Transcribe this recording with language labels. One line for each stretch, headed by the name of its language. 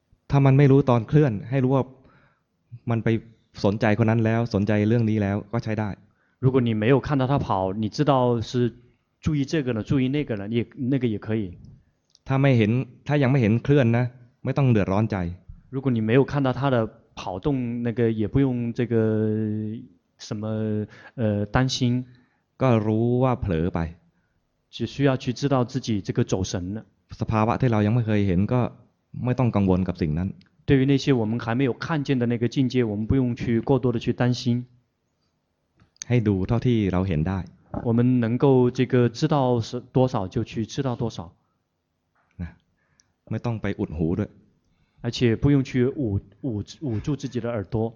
Thai: ถ้ามันไม่รู้ตอนเคลื่อนให้รู้ว่ามันไปสนใจคนนั้นแล้วสนใจเรื่องนี้แล้วก็ใช้ได้
Chinese: 如果你没有看到他跑你知道是注意这个了注意那个了也那个也可以
Thai: ถ้าไม่เห็นถ้ายังไม่เห็นเคลื่อนนะไม่ต้องเดือดร้อนใจ
Chinese: 如果你没有看到他的跑动那个也不用这个什么担心
Thai: ก็รู้ว่าเผลอไป
Chinese: 只需要去知道自己这个走神
Thai: สภาวะที่เรายังไม่เคยเห็นก็ไม่ต้องกังวลกับสิ่งนั้น
Chinese: 对于那些我们还没有看见的那个境界我们不用去过多的去担心
Thai: ให้ดูเท่าที่เราเห็นได้
Chinese: 我们能够这个知道是多少就去知道多少
Thai: ไม่ต้องไปอุดหูด้วย
Chinese: 而且不用去捂住自己的耳朵